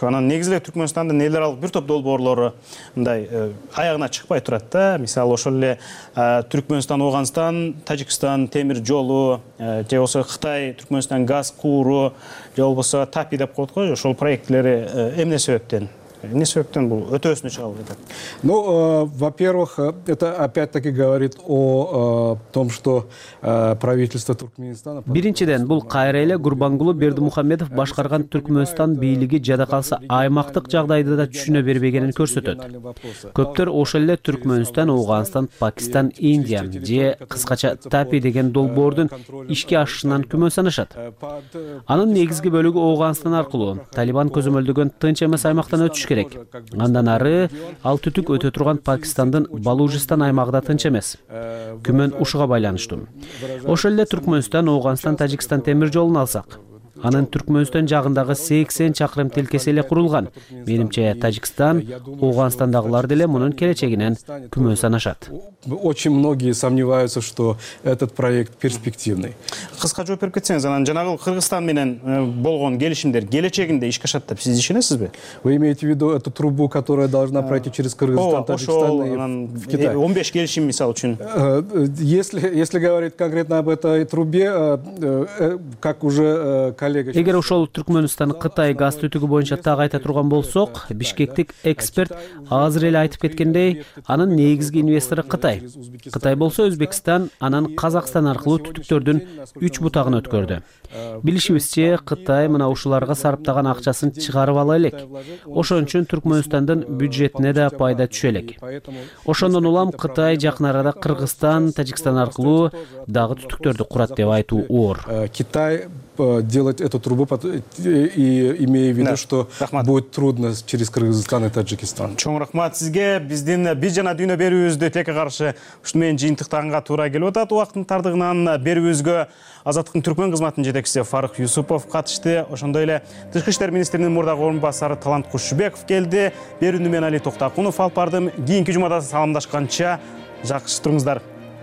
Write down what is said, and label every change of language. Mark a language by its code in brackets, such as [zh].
[ky] Анан негизи эле Түркмөнстандын эл аралык бир топ долбоорлору мындай аягына чыкпай турат да. Мисалы ошол эле Түркмөнстан Ооганстан, Тажикстан темир жолу, же болбосо Кытай Түркмөнстан газ кууру, же болбосо ТАПИ деп коет го, ошол проектилери эмне себептен? Не себептен бул өтөөсүнө чыгалып атат? [ru] Ну, во-первых, это опять-таки говорит о том, что правительство Туркменистана. [ky] Биринчиден, бул кайра эле Гурбангулу Бердимухамедов башкарган Түркмөнстан бийлиги жада калса аймактык жагдайды да түшүнө бербегенин көрсөтөт. Көптөр ошол эле Түркмөнстан, Ооганстан, Пакистан, Индия же кыскача ТАПИ деген долбоордун ишке ашышынан күмөн санашат. Анын негизги бөлүгү Ооганстан аркылуу Талибан көзөмөлдөгөн тынч эмес аймактан өтүш керек. Андан ары ал түтүк өтө турган Пакистандын Балужистан аймагында тынч эмес. Күмөн ушуга байланыштуу. Ошол эле Түркмөнстан, Ооганстан, Тажикстан темир жолун алсак, Анын Түркмөнстөн жагындагы 80 чакырым тилкеси эле курулган. Менимче, Тажикстан, Ооганстандагылар деле мунун келечегинен күмөн санашат. [ru] Очень многие сомневаются, что этот проект перспективный. [ky] Кыска жооп берип кетсеңиз, анан жанагы Кыргызстан менен болгон келишимдер келечегинде иш ашат деп сиз ишенесизби? [ru] Вы имеете в виду эту трубу, которая должна пройти через Кыргызстан, Таджикстан и в Китай? [ky] 15 келишим, мисал үчүн. [ru] Если говорить конкретно об этой трубе, как уже коллега... [ky] Эгер ошол Түркмөнстан Кытай газ түтүгү боюнча так айта турган болсок, бишкектик эксперт азыр эле айтып кеткендей, анын негизги инвестору Кытай. Кытай болсо Өзбекстан, анан Казакстан аркылуу түтүктөрдүн 3 бутагын өткөрдү. Билишибизче, Кытай мына ушуларга сарптаган акчасын чыгарып ала элек. Ошон үчүн Түркмөнстандын бюджетине да пайда түшө элек. Ошондон улам Кытай жакын арада Кыргызстан, Тажикстан аркылуу дагы түтүктөрдү курат деп айтуу оор. [ru] Китай делать эту трубу, и имея в виду, что будет трудно через Кыргызстан и Таджикистан. [ky] Чоң рахмат сизге. Биздин бир жана дүйнө берүүбүздө тилекке каршы ушуну менен жыйынтыктаганга туура келип атат. Убактын тардыгынан берүүбүзгө Азаттыктын түркмөн кызматынын жетекчиси Фарык Юсупов катышты. Ошондой эле тышкы иштер министринин мурдагы орун басары Талант Кушубеков келди. Берүүнү мен Али Токтокунов алып бардым. Кийинки жумада саламдашканча жакшы туруңуздар.